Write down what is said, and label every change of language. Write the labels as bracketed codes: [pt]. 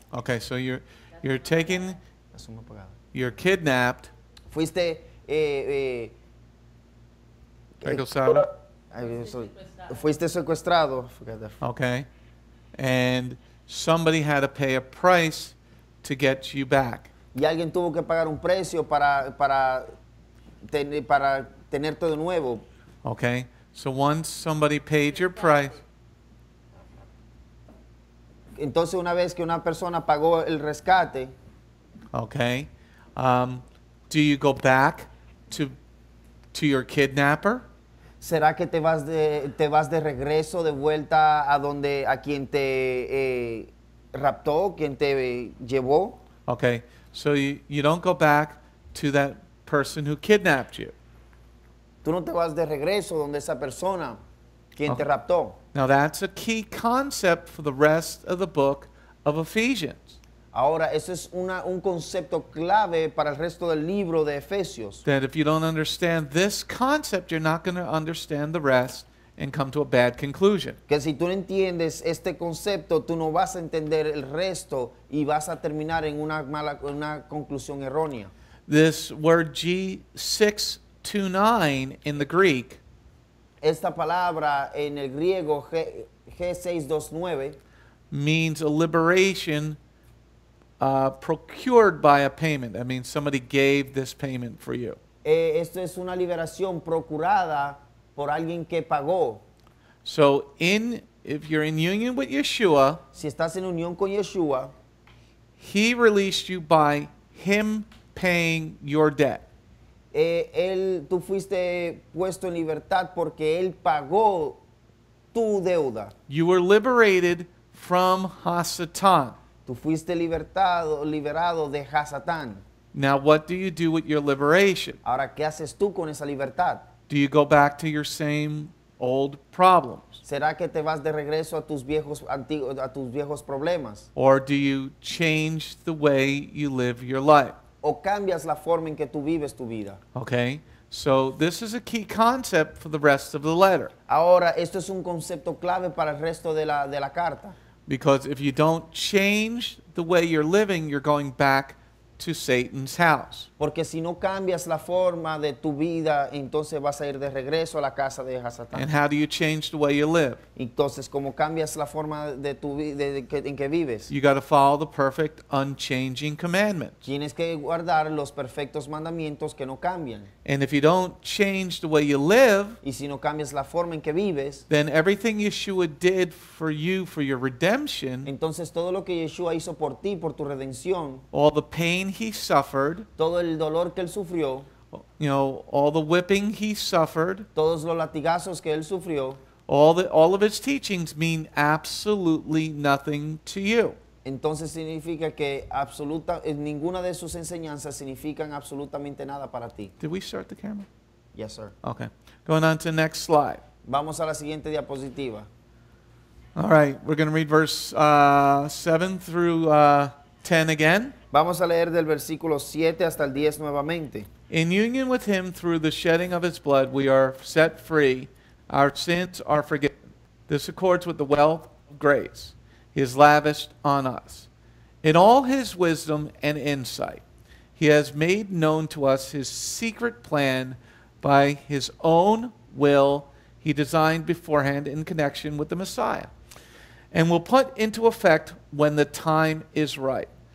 [en] Okay, so you're taken. You're kidnapped. [es] Fuiste fuiste secuestrado. [en] Okay, and somebody had to pay a price to get you back. [es] Y alguien tuvo que pagar un precio para tener todo nuevo. [en] Okay. So once somebody paid your price. [es] Entonces una vez que una persona pagó el rescate. [en] Okay. Do you go back to your kidnapper? [es] ¿Será que te vas de regreso de vuelta a donde a quien te raptó, quien te llevó? [en] Okay, so you don't go back to that person who kidnapped you. [es] Tú no te vas de regreso donde esa persona quien te raptó. [en] Now that's a key concept for the rest of the book of Ephesians. [es] Ahora, eso es un concepto clave para el resto del libro de Efesios. [en] That if you don't understand this concept, you're not going to understand the rest and come to a bad conclusion. [es] Que si tú no entiendes este concepto, tú no vas a entender el resto y vas a terminar en una conclusión errónea. [en] This word G629 in the Greek, [es] esta palabra en el griego G629 [en] means a liberation procured by a payment. That means somebody gave this payment for you. [es] Esto es una liberación procurada por alguien que pagó. [en] So if you're in union with Yeshua, [es] si estás en unión con Yeshua, [en] he released you by him paying your debt. [es] Tú fuiste puesto en libertad porque él pagó tu deuda. [en] You were liberated from Hasatan. [es] Tú fuiste liberado de Hasatan. [en] Now what do you do with your liberation? [es] Ahora, ¿qué haces tú con esa libertad? [en] Do you go back to your same old problems? [es] ¿Será que te vas de regreso a tus viejos problemas? [en] Or do you change the way you live your life? [es] ¿O cambias la forma en que tú vives tu vida? [en] Okay, so this is a key concept for the rest of the letter. [es] Ahora, esto es un concepto clave para el resto de la carta. [en] Because if you don't change the way you're living, you're going back to Satan's house. [es] Porque si no cambias la forma de tu vida, entonces vas a ir de regreso a la casa de Satán. [en] And how do you change the way you live? [es] Entonces, ¿cómo cambias la forma de tu vida en que vives? [en] You got to follow the perfect, unchanging commandments. [es] Tienes que guardar los perfectos mandamientos que no cambian. [en] And if you don't change the way you live, [es] y si no cambias la forma en que vives, [en] then everything Yeshua did for you for your redemption, [es] entonces todo lo que Yeshua hizo por ti por tu redención, [en] all the pain he suffered, [es] todo el dolor que él sufrió, [en] you know, all the whipping he suffered, [es] todos los latigazos que él sufrió, [en] all of his teachings mean absolutely nothing to you. [es] Entonces significa que absoluta ninguna de sus enseñanzas significan absolutamente nada para ti. [en] Did we start the camera? Yes, sir. Okay. Going on to the next slide. [es] Vamos a la siguiente diapositiva. [en] All right, we're going to read verse 7 through 10 again. [es] Vamos a leer del versículo 7 hasta el 10 nuevamente. [en] In union with him through the shedding of his blood, we are set free. Our sins are forgiven. This accords with the wealth of grace he has lavished on us. In all his wisdom and insight, he has made known to us his secret plan by his own will he designed beforehand in connection with the Messiah, and will put into effect when the time is right.